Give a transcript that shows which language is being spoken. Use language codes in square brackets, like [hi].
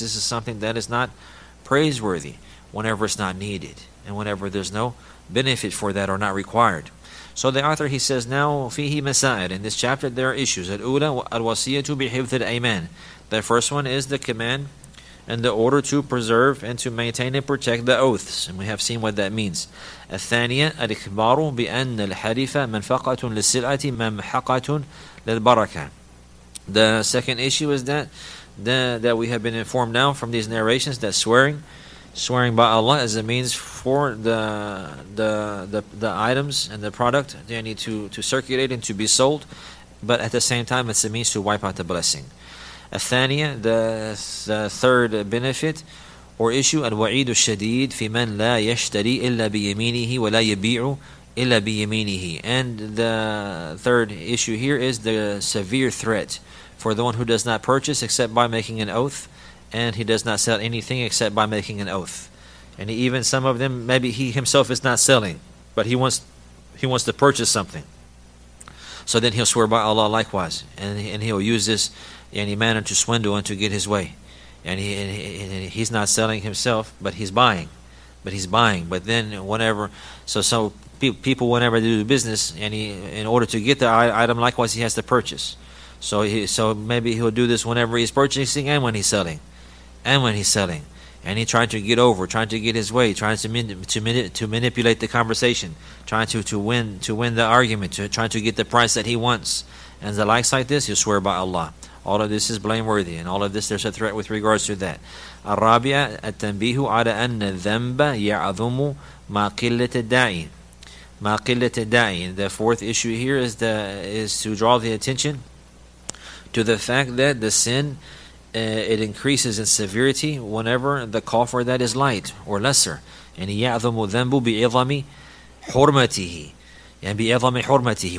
[en] This is something that is not praiseworthy whenever it's not needed and whenever there's no benefit for that or not required. So the author, he says, now fihi masa'id, in this chapter there are issues. Al-ula al-wasiyatu bihifdh al-ayman. The first one is the command and the order to preserve and to maintain and protect the oaths. And we have seen what that means. [ar] الثانيه الاخبار بان الحلف منفقه للسلعه ممحقه للبركه. [en] The second issue is that we have been informed now from these narrations that swearing by Allah is a means for the items and the product they need to circulate and to be sold, but at the same time it's a means to wipe out the blessing. [ar] الثانيه [en] the third benefit or issue, [ar] الوعيد الشديد في من لا يشتري الا بيمينه ولا يبيع الا بيمينه. [en] And the third issue here is the severe threat for the one who does not purchase except by making an oath, and he does not sell anything except by making an oath. And even some of them, maybe he himself is not selling, but he wants to purchase something. So then he'll swear by Allah likewise, and he'll use this manner to swindle and to get his way. And he's not selling himself, but he's buying. But then whenever, so people whenever they do business, in order to get the item, likewise he has to purchase. So maybe he'll do this whenever he's purchasing and when he's selling. And he trying to get over, trying to get his way, trying to manipulate the conversation, trying to win the argument, trying to get the price that he wants. And the likes like this, he'll swear by Allah. All of this is blameworthy, and all of this, there's a threat with regards to that. [ar] الرابعة التنبيه على أن الذنب يعظم ما قلة الداعي. ما قلة الداعي. [en] The fourth issue here is to draw the attention to the fact that the sin, it increases in severity whenever the call for that is light or lesser. [ar] And يعظم الذنب بعظم حرمته. And بعظم حرمته.